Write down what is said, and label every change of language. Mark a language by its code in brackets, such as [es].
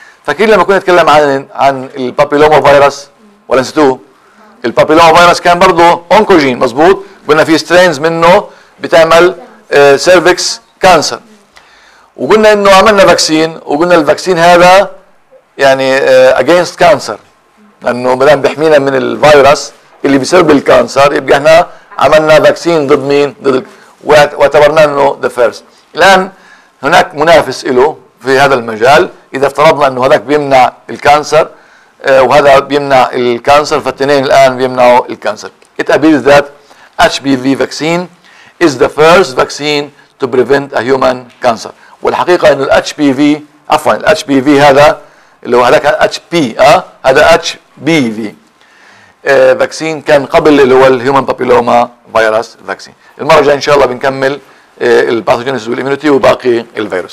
[ar] فكير لما كنا نتكلم عن البابيلوما فيروس، ولا نسيتوه البابيلوما فيروس كان برضو أونكوجين مزبوط، قلنا في strains منه بتعمل cervix cancer، وقلنا انه عملنا vaccine وقلنا الفاكسين هذا يعني against cancer، لانه مدام بيحمينا من الفيروس اللي بيسبب الكانسر يبقى احنا عملنا فاكسين ضد مين؟ ضد واعتبرناه انه [en] The first. [ar] الان هناك منافس له في هذا المجال، اذا افترضنا انه هذاك بيمنع الكانسر وهذا بيمنع الكانسر، فالتنين الان بيمنعوا الكانسر. [en] It appears that HPV vaccine is the first vaccine to prevent a human cancer. [ar] والحقيقه انه HPV عفوا HPV هذا اللي هو هذاك HP هذا HPV فاكسين كان قبل اللي هو الهيومن بابيلوما فيروس فاكسين. المره الجايه ان شاء الله بنكمل الباثوجينيسيس والإيميونيتي وباقي الفيروسات.